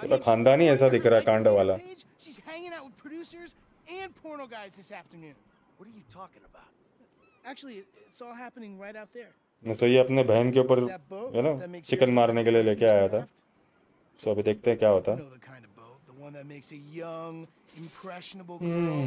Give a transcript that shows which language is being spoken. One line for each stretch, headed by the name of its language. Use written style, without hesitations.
Hindi: तो खानदानी ऐसा दिख रहा है कांड वाला।
English: She's hanging out with producers and porno guys this afternoon. What are you talking about? Actually, it's all happening right out there.
Hindi: No, so ये अपने बहन के ऊपर है ना चिकन मारने के लिए लेके आया था। So अभी देखते हैं क्या होता है।